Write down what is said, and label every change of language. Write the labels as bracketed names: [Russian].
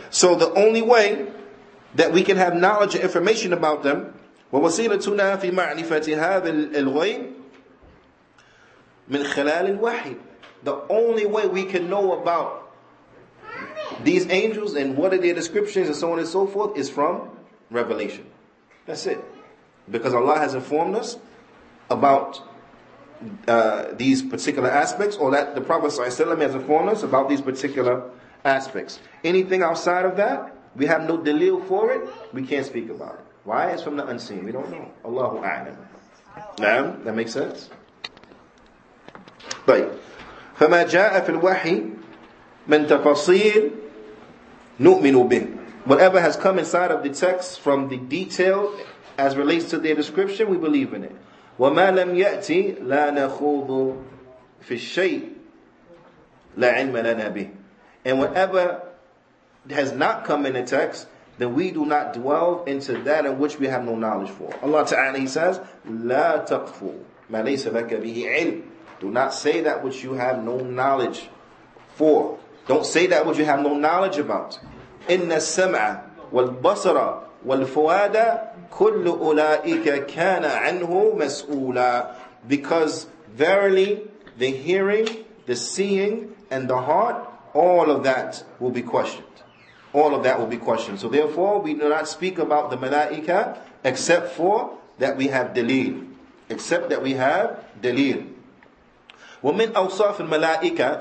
[English] So the only way that we can have knowledge and information about them, [Arabic] ووسيلتنا في معرفة هذا الغيب من خلال الوحي. [English] The only way we can know about these angels and what are their descriptions and so on and so forth is from revelation. That's it. Because Allah has informed us about these particular aspects, or that the Prophet ﷺ has informed us about these particular aspects. Anything outside of that, we have no dalil for it, we can't speak about it. Why? It's from the unseen. We don't know. [Arabic] Allahu a'lam. Naam? [English] That makes sense? [Arabic] طيب. فما جاء في الوحي من تفاصيل نؤمن به. [English] Whatever has come inside of the text from the detail as relates to their description, we believe in it. [Arabic] وما لم يأتي لا نخوض في الشيء لا علم لنا به. [English] And whatever has not come in the text, then we do not dwell into that in which we have no knowledge for. Allah Ta'ala, He says, [Arabic] لَا تَقْفُوا مَا لَيْسَ لَكَ بِهِ عِلْمٍ. [English] Do not say that which you have no knowledge for. Don't say that which you have no knowledge about. [Arabic] إِنَّ السَّمْعَ وَالْبَصَرَ وَالْفُوَادَ كُلُّ أُولَٰئِكَ كَانَ عَنْهُ مَسْؤُولًا. [English] Because verily, the hearing, the seeing, and the heart, all of that will be questioned. All of that will be questioned. So therefore, we do not speak about the malaika except for that we have dalil. Except that we have dalil. [Arabic] وَمِنْ أَوْصَافِ الْمَلَائِكَةِ.